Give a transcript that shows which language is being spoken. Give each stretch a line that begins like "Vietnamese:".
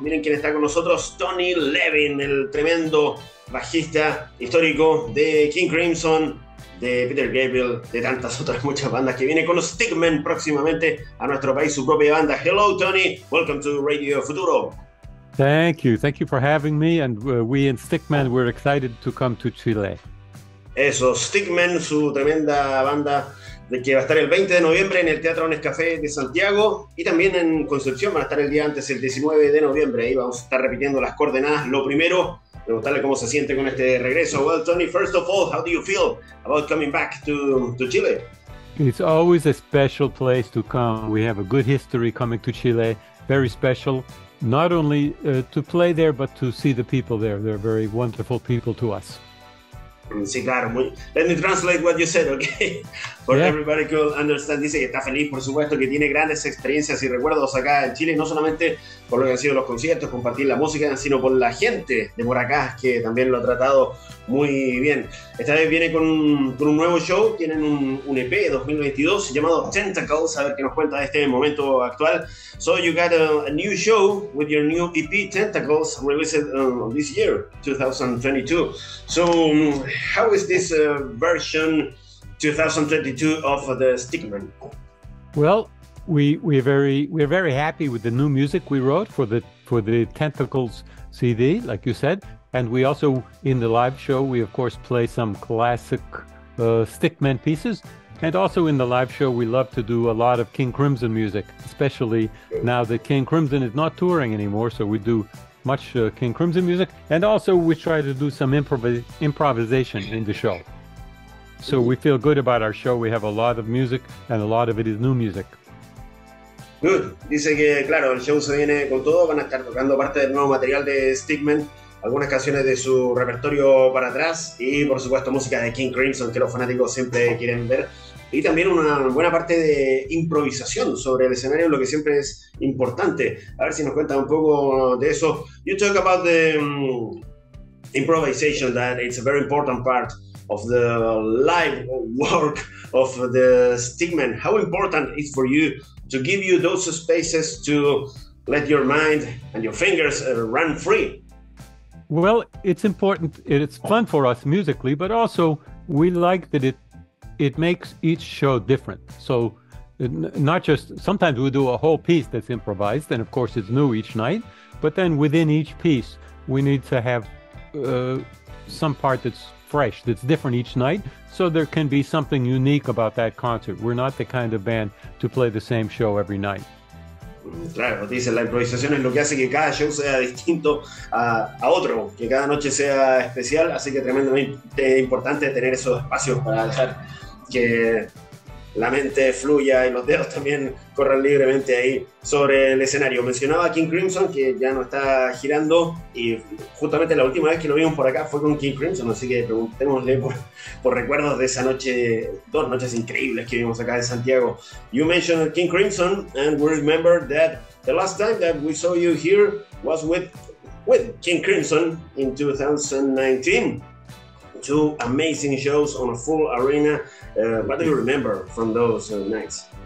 Spanish: Miren quién está con nosotros, Tony Levin, el tremendo bajista histórico de King Crimson, de Peter Gabriel, de tantas otras muchas bandas, que viene con los Stickmen próximamente a nuestro país, su propia banda.
English: Hello, Tony. Welcome to Radio Futuro. Thank you. Thank you for having me. And we in Stickmen, we're excited to come to Chile.
Spanish: Eso, Stickmen, su tremenda banda, de que va a estar el 20 de noviembre en el Teatro Un Café de Santiago y también en Concepción. Van a estar el día antes, el 19 de noviembre. Ahí vamos a estar repitiendo las coordenadas. Lo primero, preguntarle cómo se siente con este regreso.
English: Well, Tony, first of all, how do you feel about coming back to Chile? It's always a special place to come. We have a good history coming to Chile. Very special, not only to play there, but to see the people there. They're very wonderful people to us.
Spanish: Sí, claro.
English: Let me translate what you said, okay? For yeah. Everybody to understand.
Spanish: Dice que está feliz, por supuesto, que tiene grandes experiencias y recuerdos acá en Chile, no solamente por lo que han sido los conciertos, compartir la música, sino por la gente de por acá, que también lo ha tratado muy bien. Esta vez viene con un nuevo show, tienen un EP 2022 llamado Tentacles, a ver qué nos cuenta de este momento actual.
English: So you got a new show with your new EP Tentacles, released this year, 2022. So how is this version 2022 of the Stickmen? Well, we're very happy with the new music we wrote for the Tentacles CD, like you said. And we also, in the live show, we of course play some classic Stickmen pieces. And also in the live show, we love to do a lot of King Crimson music, especially now that King Crimson is not touring anymore. So we do much King Crimson music. And also we try to do some improvisation in the show. So we feel good about our show. We have a lot of music and a lot of it is new music. Good.
Spanish: Dice que, claro, el show se viene con todo. Van a estar tocando parte del nuevo material de Stickmen, algunas canciones de su repertorio para atrás y, por supuesto, música de King Crimson, que los fanáticos siempre quieren ver. Y también una buena parte de improvisación sobre el escenario, lo que siempre es importante. A ver si nos cuentas un poco de eso.
English: You talk about the improvisation, that it's a very important part of the live work of the Stickmen. How important is for you to give you those spaces to let your mind and your fingers run free? Well, it's important. It's fun for us musically, but also we like that it makes each show different. So not just sometimes we do a whole piece that's improvised, and of course it's new each night, but then within each piece we need to have some part that's fresh, that's different each night, so there can be something unique about that concert. We're not the kind of band to play the same show every night.
Spanish: Claro, dice, la improvisación es lo que hace que cada show sea distinto a otro, que cada noche sea especial, así que tremendamente importante tener esos espacios para dejar que la mente fluya y los dedos también corran libremente ahí sobre el escenario. Mencionaba King Crimson, que ya no está girando, y justamente la última vez que lo vimos por acá fue con King Crimson, así que preguntémosle por recuerdos de esa noche, dos noches increíbles que vimos acá en Santiago.
English: You mentioned King Crimson, and we remember that the last time that we saw you here was with King Crimson in 2019. Two amazing shows on a full arena. What do you remember from those nights?